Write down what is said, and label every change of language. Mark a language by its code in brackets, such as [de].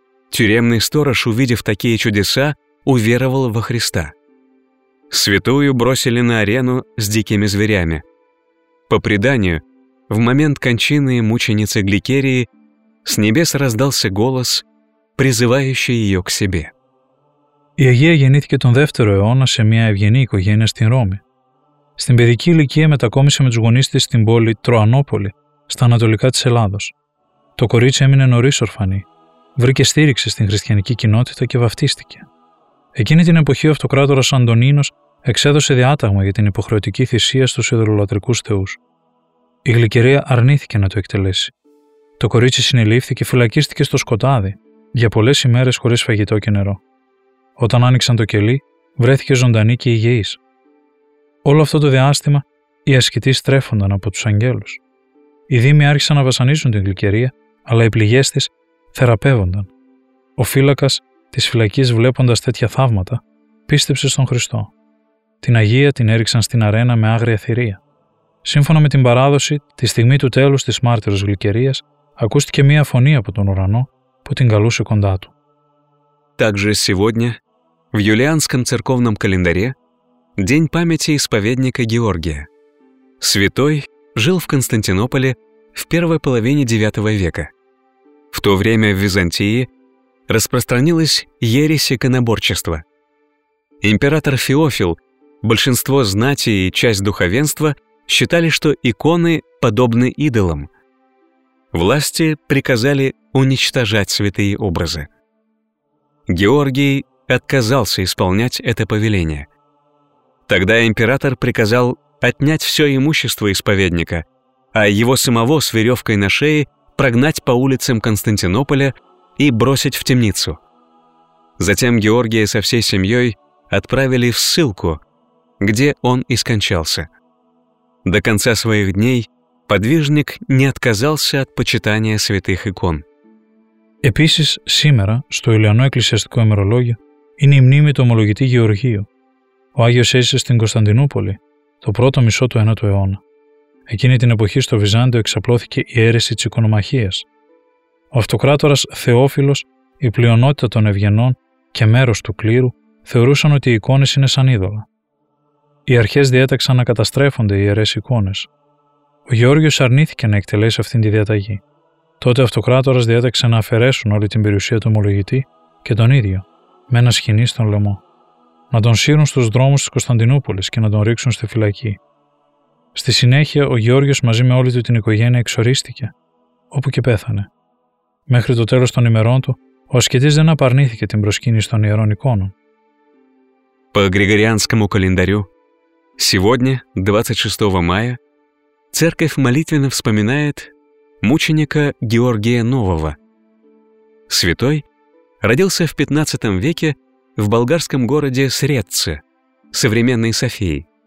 [ru] Тюремный сторож, увидев такие чудеса, уверовал во Христа. Святую бросили на арену с дикими зверями. По преданию, в момент кончины мученицы Гликерии с небес раздался голос, призывающий ее к себе. [el] Η Αγία γεννήθηκε τον 2ο αιώνα σε μια ευγενή οικογένεια στην Ρώμη. Στην παιδική ηλικία μετακόμισε με τους γονείς της στην πόλη Τροανόπολη, στα ανατολικά της Ελλάδος. Το κορίτσι έμεινε νωρίς ορφανή. Βρήκε στήριξη στην χριστιανική κοινότητα και βαφτίστηκε. Εκείνη την εποχή ο αυτοκράτορας Αντωνίνος εξέδωσε διάταγμα για την υποχρεωτική θυσία στους ειδωλολατρικούς θεούς. Η Γλυκερία αρνήθηκε να το εκτελέσει. Το κορίτσι συνελήφθη και φυλακίστηκε στο σκοτάδι για πολλές ημέρες χωρίς φαγητό και νερό. Όταν άνοιξαν το κελί, βρέθηκε ζωντανή και υγιής. Όλο αυτό το διάστημα, οι ασκητοί στρέφονταν από τους αγγέλους. Οι δήμοι άρχισαν να βασανίζουν την Γλυκερία, αλλά οι πληγές της θεραπεύονταν. Ο φύλακας της φυλακής, βλέποντας τέτοια θαύματα, πίστεψε στον Χριστό. Την Αγία την έριξαν στην αρένα με άγρια θηρία. Σύμφωνα με την παράδοση, τη στιγμή του τέλους της μάρτυρος Γλυκερίας, ακούστηκε μία φωνή από τον ουρανό που την καλούσε κοντά του. [ru] Также сегодня, в юлианском церковном календаре, день памяти исповедника Георгия. Святой жил в Константинополе в первой половине IX века. В то время в Византии распространилась ересь иконоборчества. Император Феофил, большинство знати и часть духовенства считали, что иконы подобны идолам. Власти приказали уничтожать святые образы. Георгий отказался исполнять это повеление. Тогда император приказал отнять все имущество исповедника, а его самого с веревкой на шее прогнать по улицам Константинополя и бросить в темницу. Затем Георгия со всей семьей отправили в ссылку, где он и скончался. До конца своих дней подвижник не отказался от почитания святых икон. [el] Επίσης, σήμερα, στο Ιουλιανό Εκκλησιαστικό ημερολόγιο, είναι η μνήμη του ομολογητή Γεωργίου. Ο Άγιος έζησε στην Κωνσταντινούπολη, το πρώτο μισό του 9ου αιώνα. Εκείνη την εποχή στο Βυζάντιο εξαπλώθηκε η αίρεση της οικονομαχίας. Ο αυτοκράτορας Θεόφιλος, η πλειονότητα των ευγενών και μέρος του κλήρου, θεωρούσαν ότι οι εικόνες είναι σαν είδωλα. Οι αρχές διέταξαν να καταστρέφονται οι ιερές εικόνες. Ο Γεώργιος αρνήθηκε να εκτελέσει αυτήν τη διαταγή. Τότε ο αυτοκράτορας διέταξε να αφαιρέσουν όλη την περιουσία του ομολογητή και τον ίδιο, με ένα σχοινί στον λαιμό. Να τον σύρουν στους δρόμους της Κωνσταντινούπολης και να τον ρίξουν στη φυλακή. Στη συνέχεια, ο Γεώργιος μαζί με όλη του την οικογένεια εξορίστηκε, όπου και πέθανε. Μέχρι το τέλος των ημερών του, ο ασκητής δεν απαρνήθηκε την προσκύνηση των ιερών εικόνων. [ru] По Григорианскому календарю, сегодня, 26 мая, церковь молитвенно вспоминает мученика Георгия Нового. Святой родился в 15 веке в болгарском городе Сретце, современной Софии.